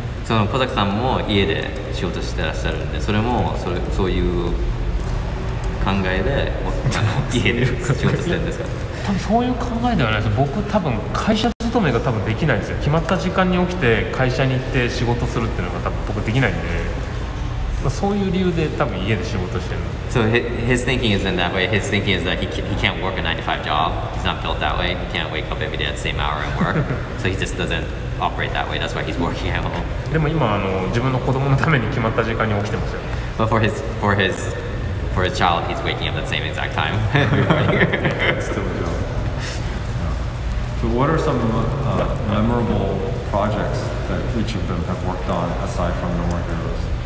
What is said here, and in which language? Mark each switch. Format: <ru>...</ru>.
<ja>その小崎さんも家で仕事してらっしゃるんで、それもそれそういう考えで家で仕事してるんですか？多分そういう考えではないです。僕多分会社勤めが多分できないんですよ。決まった時間に起きて会社に行って仕事するっていうのが多分僕できないんで、まあ、そういう理由で多分家で仕事してる。</ja> <en>So his thinking is in that way. His thinking is that he can't work a 9-to-5 job. He's not built that way. He can't wake up every day at the same hour and work. So he just doesn't. Operate that way. That's why he's working at home.</en> <ja>でも今あの自分の子供のために決まった時間に起きてますよ。</ja> <en>But for his child, he's waking up at the same exact time. Still a job. So what are some memorable projects that each of them have worked on aside from No More Heroes?</en>